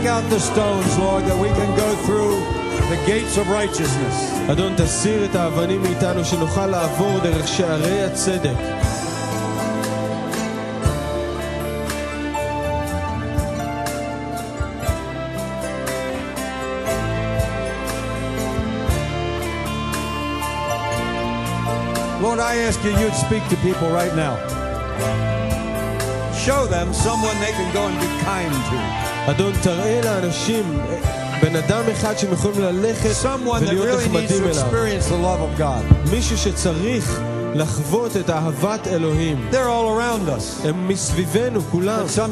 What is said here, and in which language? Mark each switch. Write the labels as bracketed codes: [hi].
[en] The stones, Lord, that we can go through the gates of righteousness. [he] Adon, תסיר את האבנים מאיתנו שנוכל לעבור דרך שערי הצדק. [en] Lord, I ask you, you'd speak to people right now. Show them someone they can go and be kind to. [he] אדון, תראה לאנשים בן אדם אחד שהם יכולים ללכת ולהיות נחמדים אליו. מישהו שצריך לחוות את אהבת אלוהים. הם מסביבנו כולם.